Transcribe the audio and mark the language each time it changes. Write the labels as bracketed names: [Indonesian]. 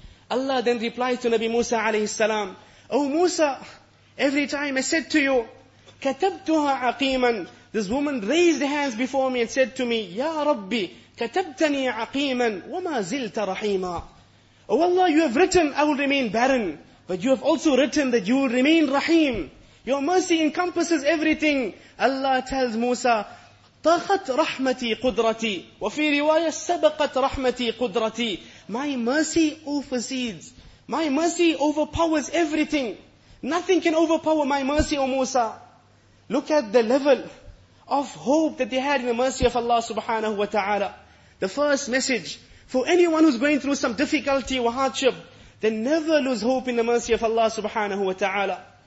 [English] Allah then replies to Nabi Musa alayhi salam. Oh Musa, every time I said to you, [Arabic] katabtuha aqeeman, [English] this woman raised hands before me and said to me, [Arabic] ya Rabbi, katabtani aqeeman, wama zilta rahima. [English] Oh Allah, you have written I will remain barren, but you have also written that you will remain rahim. Your mercy encompasses everything. Allah tells Musa, [Arabic] طَخَتْ رَحْمَتِي قُدْرَتِي وَفِي رِوَايَ سَبَقَتْ رَحْمَتِي قُدْرَتِي. [English] My mercy overseeds. My mercy overpowers everything. Nothing can overpower my mercy, O Musa. Look at the level of hope that they had in the mercy of Allah subhanahu wa ta'ala. The first message for anyone who's going through some difficulty or hardship, then never lose hope in the mercy of Allah subhanahu wa ta'ala.